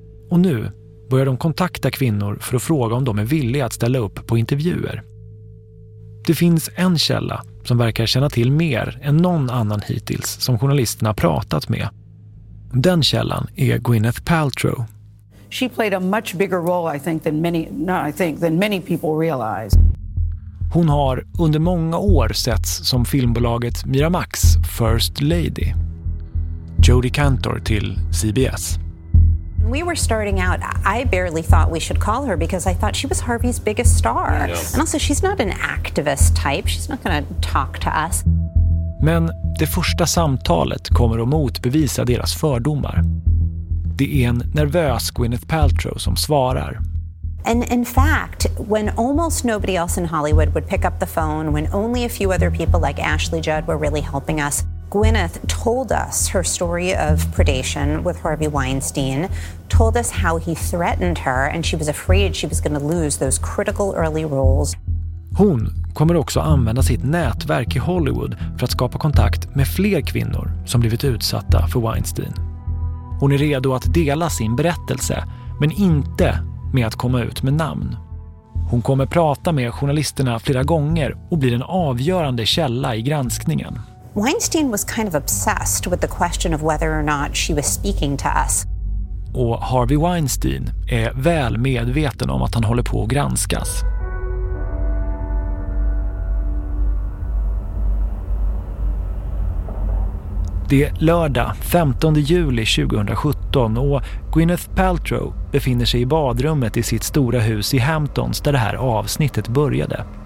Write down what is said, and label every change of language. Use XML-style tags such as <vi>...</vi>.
<sv>Och nu börjar de kontakta kvinnor för att fråga om de är villiga att ställa upp på intervjuer. Det finns en källa som verkar känna till mer än någon annan hittills som journalisterna pratat med. Den källan är Gwyneth Paltrow.</sv> <en>She played a much bigger role I think than many people realize.</en> <sv>Hon har under många år setts som filmbolaget Miramax First Lady. Jodie Kantor till CBS.</sv> <en>When we were starting out, I barely thought we should call her because I thought she was Harvey's biggest star. Yes. And also, she's not an activist type. She's not going to talk to us.</en> <sv>Men det första samtalet kommer att motbevisa deras fördomar. Det är en nervös Gwyneth Paltrow som svarar.</sv> <en>And in fact, when almost nobody else in Hollywood would pick up the phone, when only a few other people like Ashley Judd were really helping us, Gwyneth told us her story of predation with Harvey Weinstein, told us how he threatened her and she was afraid she was going to lose those critical early roles.</en> <sv>Hon kommer också använda sitt nätverk i Hollywood för att skapa kontakt med fler kvinnor som blivit utsatta för Weinstein. Hon är redo att dela sin berättelse, men inte med att komma ut med namn. Hon kommer prata med journalisterna flera gånger och blir en avgörande källa i granskningen.</sv> <en>Weinstein was kind of obsessed with the question of whether or not she was speaking to us.</en> <sv>Och Harvey Weinstein är väl medveten om att han håller på att granskas. Det är lördag 15 juli 2017 och Gwyneth Paltrow befinner sig i badrummet i sitt stora hus i Hamptons där det här avsnittet började.</sv>